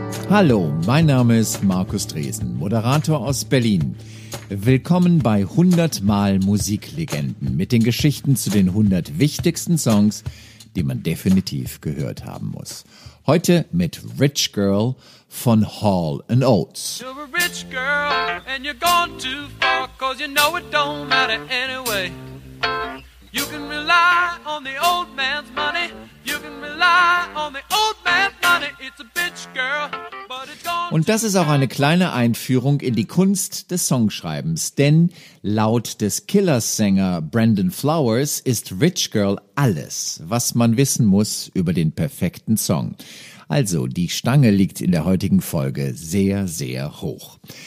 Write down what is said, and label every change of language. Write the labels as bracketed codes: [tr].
[de] Hallo, mein Name ist Markus Dresen, Moderator aus Berlin. Willkommen bei 100 Mal Musiklegenden mit den Geschichten zu den 100 wichtigsten Songs, die man definitiv gehört haben muss. Heute mit Rich Girl von Hall & Oates. [en] You're a rich girl and you're gone too far, 'cause you know it don't matter anyway. You can rely on the old man's money. You can rely on the old man's money. It's a bitch girl, but it's gone. [de] Und das ist auch eine kleine Einführung in die Kunst des Songschreibens, denn laut des Killers-Sänger Brendan Flowers ist Rich Girl alles, was man wissen muss über den perfekten Song. Also, die Stange liegt in der heutigen Folge sehr, sehr hoch.